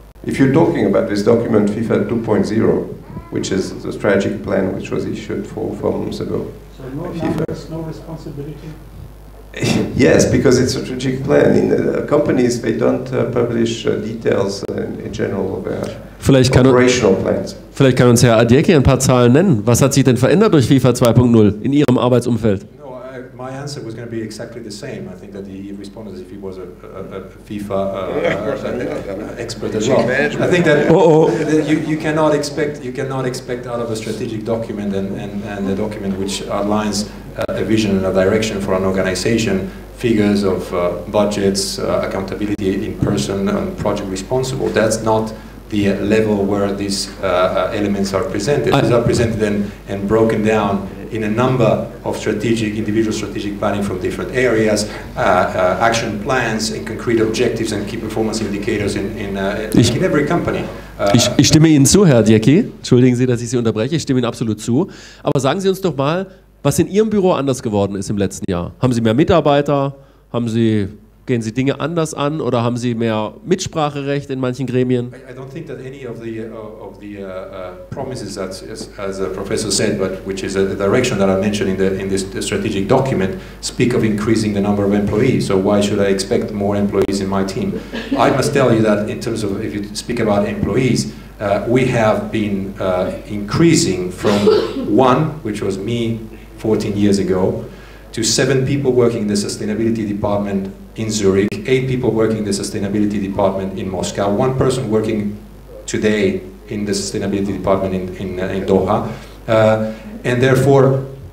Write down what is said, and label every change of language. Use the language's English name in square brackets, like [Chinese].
[English] If you're talking about this document, FIFA 2.0, which is the strategic plan which was issued 4 months ago. So no numbers, no responsibility? Yes, because it's a strategic plan. In companies, they don't publish details in general about operational plans. [German] Vielleicht kann uns Herr Adjeki ein paar Zahlen nennen. Was hat sich denn verändert durch FIFA 2.0 in Ihrem Arbeitsumfeld? [English] My answer was going to be exactly the same. I think that he responded as if he was a FIFA expert as well. I think that you cannot expect out of a strategic document and a document which outlines a vision and a direction for an organization, figures of budgets, accountability in person, and project responsible. That's not the level where these elements are presented. These are presented and broken down in a number of individual strategic planning from different areas, action plans and concrete objectives and key performance indicators in every company. [German] Ich stimme Ihnen zu, Herr Adjeki. Entschuldigen Sie, dass ich Sie unterbreche. Ich stimme Ihnen absolut zu. Aber sagen Sie uns doch mal, was in Ihrem Büro anders geworden ist im letzten Jahr. Haben Sie mehr Mitarbeiter? Gehen Sie Dinge anders an oder haben Sie mehr Mitspracherecht in manchen Gremien? [English] I don't think that any of the promises that, as the professor said, but which is the direction that I mentioned in this strategic document, speak of increasing the number of employees. So why should I expect more employees in my team? I must tell you that in terms of, if you speak about employees, we have been increasing from one, which was me 14 years ago, to 7 people working in the sustainability department in Zurich, 8 people working in the sustainability department in Moscow, 1 person working today in the sustainability department in Doha, and therefore